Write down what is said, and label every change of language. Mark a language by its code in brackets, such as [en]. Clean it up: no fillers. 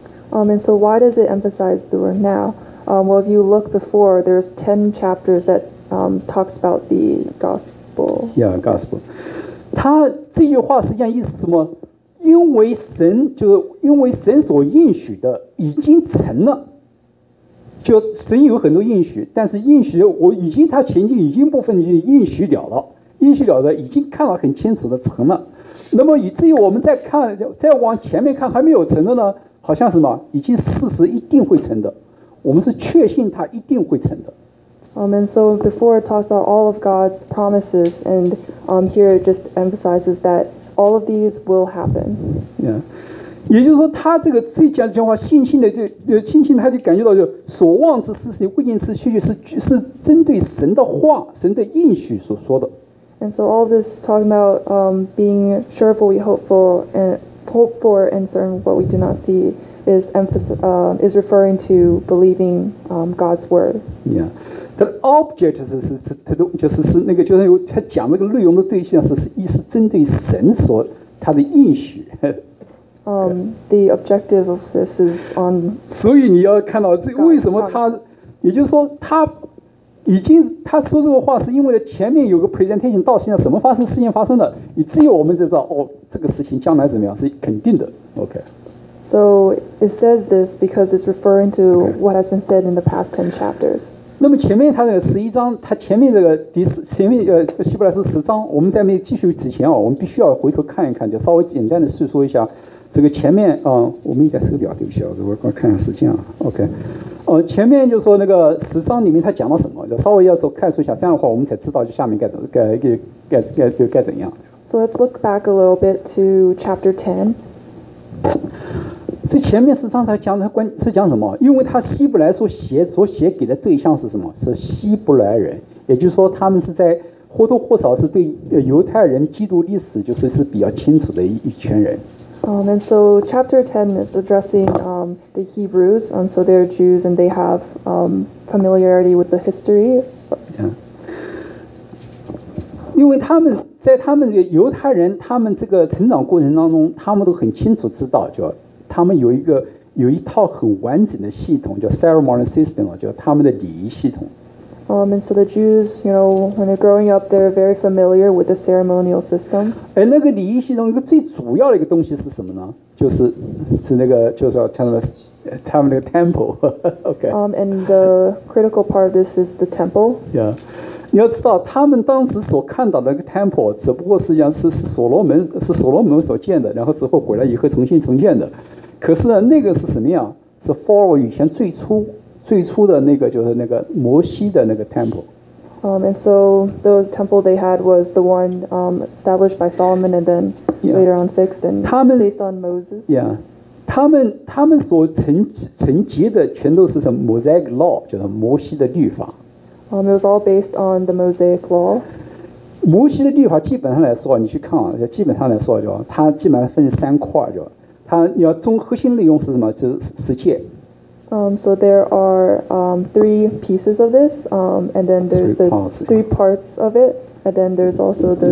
[en] And so why does it emphasize the word now? Well, if you look before, there's 10 chapters that talks about the gospel. Yeah, gospel. [zh] 他这句话实际上意思是什么？因为神就是因为神所应许的已经成了。就神有很多应许，但是应许我已经他前进已经部分已经应许了了，应许了的已经看了很清楚的成了。那么以至于我们再看再往前面看还没有成的呢，好像什么已经事实一定会成的，我们是确信他一定会成的。 [en] And so before it talked about all of God's promises, and here it just emphasizes that all of these will happen. Yeah. [zh] 也就是说他这个这讲的话信心他就感觉到就所望之事实未见之事确据是针对神的话神的应许所说的。 [en] And so all this talking about being sure of what we hope for and certain what we do not see is referring to believing God's word. [zh] Yeah. The object is 那个就是他讲那个内容的对象是意思针对神所他的应许。 [en] The objective of this is on. [zh] 所以你要看到这为什么他，也就是说他已经他说这个话是因为前面有个 presentation， 到现在什么发生事情发生了，以至于我们才知道哦，这个事情将来怎么样是肯定的。 [en] OK. So it says this because it's referring to what has been said in the past 10 chapters. [zh] 那么前面他这个十一章，他前面这个第十，前面希伯来书十章，我们在没继续之前我们必须要回头看一看，就稍微简单的叙述一下。这个前面我们一下手表，对不起，我看看时间啊。 OK， 前面就说那个十章里面他讲了什么，就稍微要说看一下，这样的话我们才知道就下面该怎么该怎样。 [en] So let's look back a little bit to chapter 10. [zh] 这前面十章他讲什么？因为他希伯来书所写给的对象是什么？是希伯来人，也就是说他们是在或多或少是对犹太人基督历史就是比较清楚的一群人。 [en] And so chapter 10 is addressing the Hebrews, so they're Jews and they have familiarity with the history. [zh] Yeah. 因为他们在他们这个犹太人他们这个成长过程当中他们都很清楚知道就他们有一套很完整的系统叫 ceremony system, 就他们的礼仪系统。 [en] And so the Jews, you know, when they're growing up, they're very familiar with the ceremonial system. [zh] 那个礼仪系统一个最主要的一个东西是什么呢？就是那个就是说他们那个 temple. Okay. [en] And the critical part of this is the temple. Yeah. [zh] 你要知道，他们当时所看到的那个 temple 只不过实际上是所罗门所建的，然后之后回来以后重新重建的。可是呢，那个是什么呀？是 follow 以前最初的那个就是那个摩西的那个 temple. [en] And so the temple they had was the one established by Solomon and then later on fixed and based on Moses. [zh] Yeah. 他们所承接的全都是什么 Mosaic law, 就是摩西的律法。 [en] It was all based on the Mosaic law. [zh] 摩西的律法基本上来说你去看啊，基本上来说就它基本上分三块就它要中核心内容是什么，就是十诫。 [en] So there are three pieces of this, and then there's three parts, three parts of it, and then there's also the